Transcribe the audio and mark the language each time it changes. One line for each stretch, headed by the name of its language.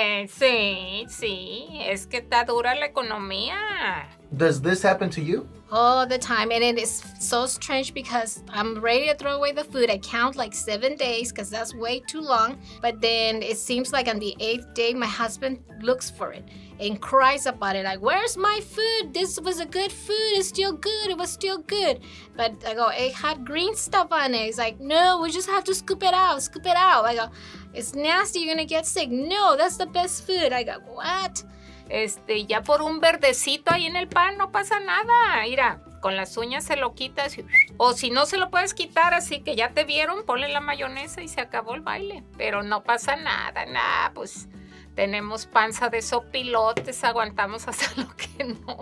Spanish: Sí, sí, es que está dura la economía.
English: Does this happen to you? All the time, and it is so strange because I'm ready to throw away the food. I count like 7 days because that's way too long. But then it seems like on the 8th day, my husband looks for it and cries about it. Like, where's my food? This was a good food. It's still good. It was still good. But I go, it had green stuff on it. He's like, no, we just have to scoop it out. Scoop it out. I go, it's nasty. You're going to get sick. No, that's the best food. I go, what?
Spanish: Ya por un verdecito ahí en el pan no pasa nada. Mira, con las uñas se lo quitas. O si no se lo puedes quitar, así que ya te vieron, ponle la mayonesa y se acabó el baile. Pero no pasa nada, nada, pues tenemos panza de sopilotes, aguantamos hasta lo que no.